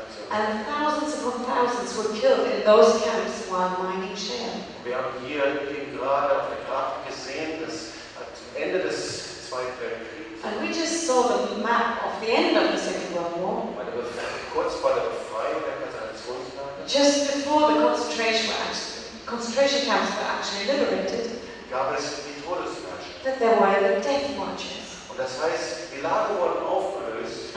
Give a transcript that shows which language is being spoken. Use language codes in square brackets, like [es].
[en] And thousands upon thousands were killed in those camps while mining shale. [de] Wir haben hier eben gerade auf der Karte gesehen, dass am Ende des Zweiten Weltkriegs. [en] And we just saw the map of the end of the Second World War. [de] Kurz vor der Befreiung der Konzentrationslager. [en] Just before the concentration camps were actually liberated. [de] Gab es die Todesmärsche. [en] That there were the death marches. [de] Und das heißt, die Lager wurden aufgelöst.